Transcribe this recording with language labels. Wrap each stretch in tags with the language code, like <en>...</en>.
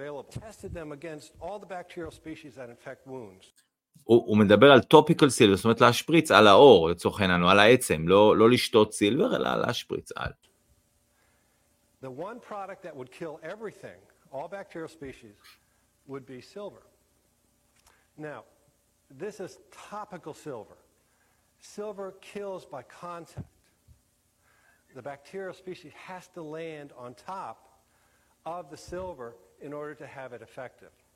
<en>Tested them against all the bacterial species that infect wounds.</en> <he>הוא מדבר על</he> <en>topical silver,</en> <he>זאת אומרת להשפריץ על האור, לצורך העניין, על העצם, לא לשתות סילבר, אלא להשפריץ על.</he> <en>The one product that would kill everything, all bacterial species, would be silver. Now, this is topical silver. Silver kills by contact. The bacterial species has to land on top of the silver in order to have it effective.</en>